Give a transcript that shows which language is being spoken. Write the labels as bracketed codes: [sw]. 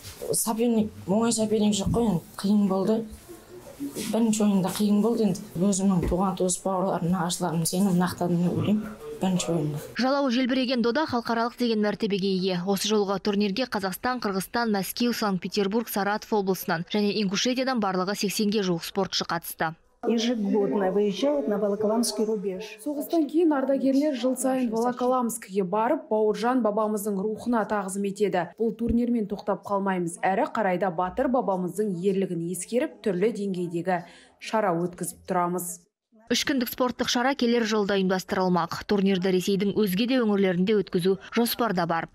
[kk] Соперник, оңай соперник жоқ қой, қиын болды. Бірінші ойында қиын болды. Өзімнің туған туыс бауырларына ашыларым сенім нақтадым деп ойлаймын. Жалауы желбіреген дода халықаралық деген мәртебеге ие. Осы жолғы турнирге Қазақстан, Қырғызстан, Мәскеу, Санкт-Петербург, Саратов облысынан және Ингушетиядан барлығы 80-ге жуық спортшы қатысты. [ru] Ежегодно выезжает на Волоколамский рубеж. [kk] Соғыстан кейін ардагерлер жыл сайын Волоколамскіге барып, Бауыржан бабамыздың рухына тағзым етеді. Бұл турнирмен тоқтап қалмаймыз. Әрі қарайда батыр бабамыздың ерлігін ескеріп, түрлі деңгейдегі шара өткізіп тұрамыз. Үш күндік спорттық шара келер жылда ұйымдастырылмақ. Турнирді Ресейдің өзге де өңірлерінде өткізу жоспарда бар.